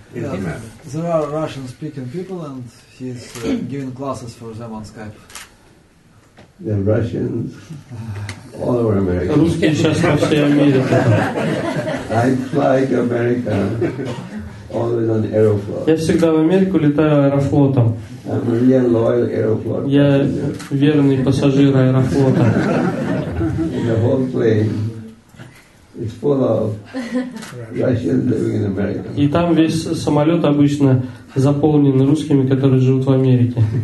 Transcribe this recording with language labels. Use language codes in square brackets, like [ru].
[en] There are Russian speaking people and he's giving classes for them on Skype. The Russians, all over America. [ru] Русские сейчас во всей Америке. [en] I fly to America, always on Aeroflot. [ru] Я всегда в Америку летаю Аэрофлотом. [en] I'm a real loyal Aeroflot. [ru] Я верный пассажир Аэрофлота. [en] The whole plane is full of Russians living in America. [ru] И там весь самолет обычно заполнен русскими, которые живут в Америке.